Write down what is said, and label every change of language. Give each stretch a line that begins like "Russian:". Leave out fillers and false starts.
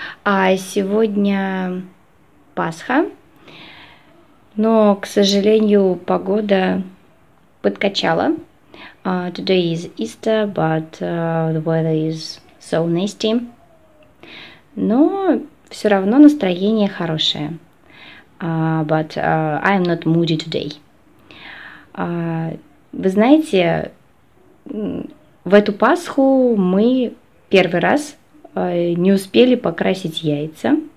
Russian: Сегодня Пасха, но, к сожалению, погода подкачала.
English: Today is Easter, but the weather is so nasty.
Russian: Но все равно настроение хорошее.
English: I am not moody today.
Russian: Вы знаете, в эту Пасху мы первый раз не успели покрасить яйца.